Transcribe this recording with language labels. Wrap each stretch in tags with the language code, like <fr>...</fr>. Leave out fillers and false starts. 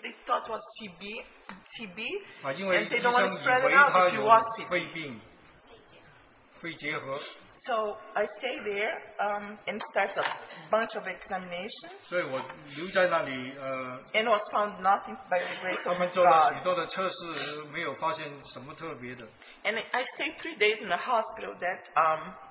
<en>They thought it was TB, and they don't want to spread it out if you was TB. So I stay there and start a bunch of examinations.</en> <zh>所以我留在那里,</zh> <en>and was found nothing by the grace of God.</en> <zh>他们做了许多的测试,没有发现什么特别的.</zh> <en>And I stayed 3 days in the hospital that I</en>